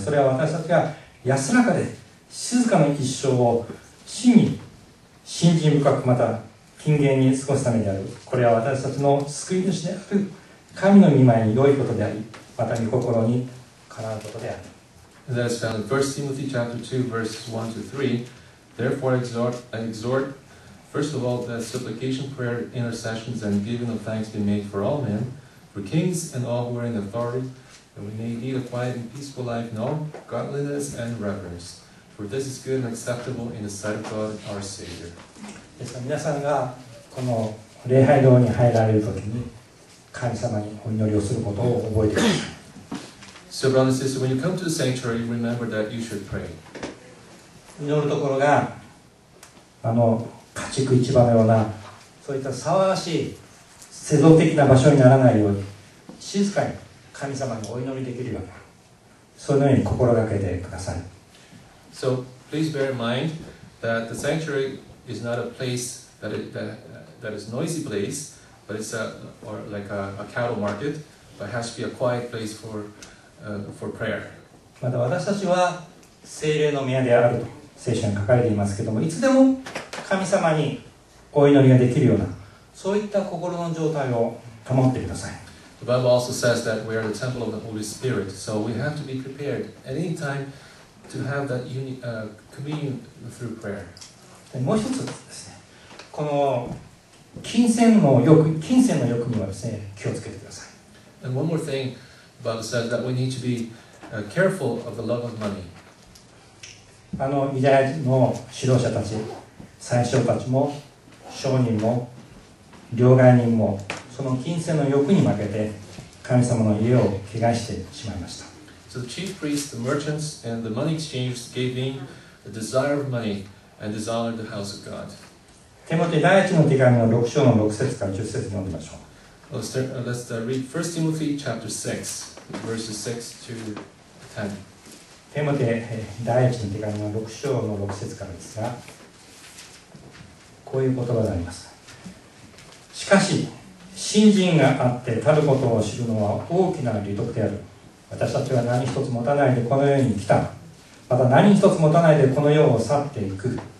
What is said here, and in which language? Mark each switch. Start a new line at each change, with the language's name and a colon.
Japanese: それは私たちが安らかで静かな一生を死に、信心深くまた、金言に過ごすためである。これは私たちの救い主である神の御前に良いことであり、また御心にかなうことである。
English: That is found in 1 Timothy chapter 2, verses 1 to 3. Therefore, I exhort, first of all, that supplication, prayer, intercessions, and giving of thanks be made for all men, for kings and all who are in authority, that we may lead a quiet and peaceful life in all godliness and reverence. For this is good and acceptable in the sight of God our Savior.
Japanese: ですから皆さんがこの礼拝堂に入られるときに神様にお祈りをすることを覚えてください。
English: So brothers and sisters, when you come to the sanctuary, remember that you should pray.
Japanese: 祈るところが、あの家畜市場のような、そういった騒がしい、世俗的な場所にならないように、静かに神様にお祈りできるような、そのように心がけてください。
English: So please bear in mind that the sanctuary is not a place that is noisy place, but it's a cattle market, but it has to be a quiet place for prayer.
Japanese: また私たちは聖霊の宮であると聖書に書かれていますけども、いつでも神様にお祈りができるようなそういった心の状態を保ってください。
English: The Bible also says that we are the temple of the Holy Spirit, so we have to be prepared at any time to have that communion through prayer.
Japanese: もう一つですね、この金銭の欲にはですね、気をつけてください。
English: And one more thing, Bob said that we need to be careful of the love of money.
Japanese: あの、ユダヤ人の指導者たち、宰相たちも、商人も、両替人も、その金銭の欲に負けて、神様の家を汚してしまいました。
English: So the chief priests, the merchants, and the money exchangers gave in the desire of money. And dishonored the house of God.
Japanese: テモテ第一の手紙の6章の6節から10節読んでみましょう。
English: Let's read 1 Timothy chapter 6, verses 6 to 10.
Japanese: テモテ第一の手紙の6章の6節からですが、こういう言葉があります。しかし、信心があってたることを知るのは大きな利得である。私たちは何一つ持たないでこの世に来た。また何一つ持たないでこの世を去っていく。